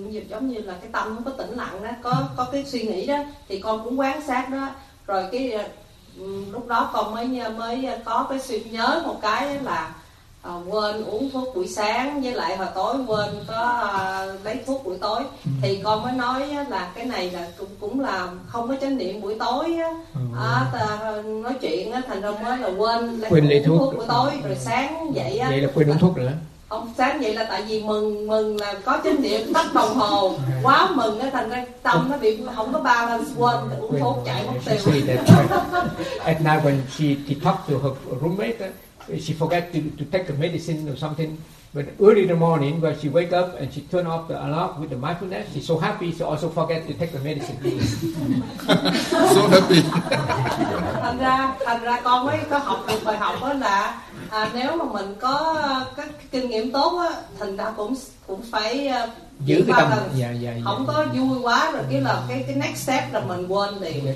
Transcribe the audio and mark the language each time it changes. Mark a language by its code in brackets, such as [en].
[vi] giống như là cái tâm không có tĩnh lặng đó, có cái suy nghĩ đó thì con cũng quan sát đó, rồi cái lúc đó con mới có cái sự nhớ một cái là quên uống thuốc buổi sáng với lại hồi tối quên có lấy thuốc buổi tối, thì con mới nói là cái này là cũng là không có chánh niệm buổi tối nói chuyện thành ra mới là quên lấy thuốc buổi tối rồi sáng dậy vậy là quên uống thuốc rồi đó. Ông sáng vậy là tại vì mừng là có chánh niệm tắt đồng hồ quá mừng á, thành ra tâm nó bị không có balance, quên uống thuốc chạy mất tiêu. [en] At night when she talked to her roommate, she forgot to take the medicine or something. But early in the morning, when she wake up and she turn off the alarm with the mindfulness, she's so happy, she also forget to take the medicine. So happy. [vi] Thành ra con mới có học được bài học đó là nếu mà mình có cái kinh nghiệm tốt á, thành ra cũng phải giữ cái tâm không có vui quá rồi cái là cái [en] next step [vi] là mình quên liền.